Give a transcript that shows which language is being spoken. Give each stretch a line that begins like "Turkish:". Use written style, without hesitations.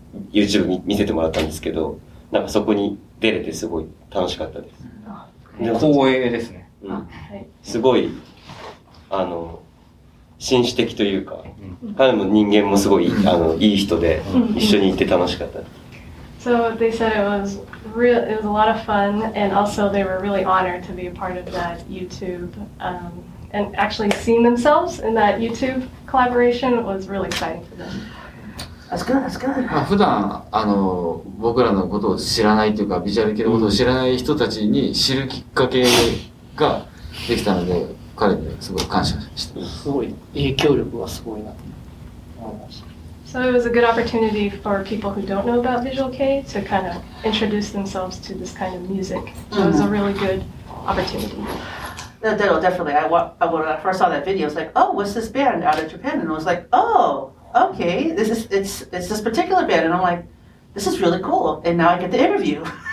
Japanese: YouTube に見せてもらったんですけど、なんかそこに出れてすごい楽しかったです。光栄ですね。すごい、紳士的というか、彼も人間もすごいいい人で、一緒に行って楽しかったです。
English: So they said it was a lot of fun, and also they were really honored to be a part of that YouTube, and actually seeing themselves in that YouTube collaboration was really exciting for them. That's good.
Japanese: 普段僕らのことを知らないというかビジュアル系のことを知らない人たちに知るきっかけができたので彼にすごい感謝してます。すごい影響力はすごいなと思いました。
English: So it was a good opportunity for people who don't know about Visual K to kind of introduce themselves to this kind of music. It was a really good opportunity. Definitely. When I first saw that video, I was like, oh, what's this band out of Japan? And I was like, oh. Okay, this is, it's this particular band, and I'm like, this is really cool, and now I get the interview.